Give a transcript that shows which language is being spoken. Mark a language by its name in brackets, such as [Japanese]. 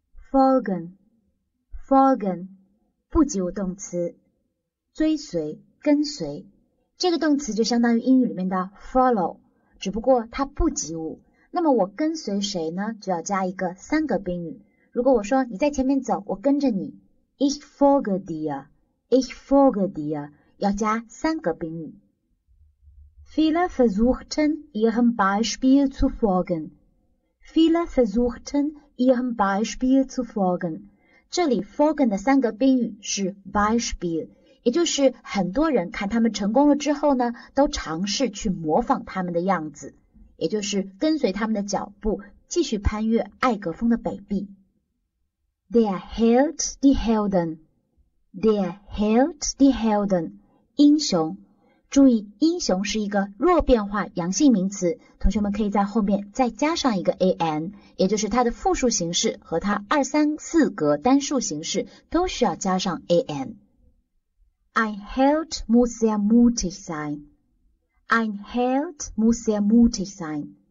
[Chinese] folgen folgen 不及物动词，追随跟随，这个动词就相当于英语里面的 follow, 只不过它不及物。那么我跟随谁呢？就要加一个三个宾语。如果我说你在前面走，我跟着你 , [German] ich folge dir, ich folge dir, [Chinese] 要加三个宾语。 [German] Viele versuchten ihrem Beispiel zu folgen. Viele versuchten ihrem Beispiel zu folgen. [Chinese] 这里 folgen 的三个宾语是 Beispiel。也就是很多人看他们成功了之后呢，都尝试去模仿他们的样子，也就是跟随他们的脚步，继续攀越艾格峰的北壁。 [German] Der Held, die Helden, der Held, die Helden, [Chinese] 英雄注意英雄是一个弱变化阳性名词，同学们可以在后面再加上一个 an， 也就是它的复数形式和它二三四格单数形式都需要加上 an。 [German] Ein Held muss sehr mutig sein。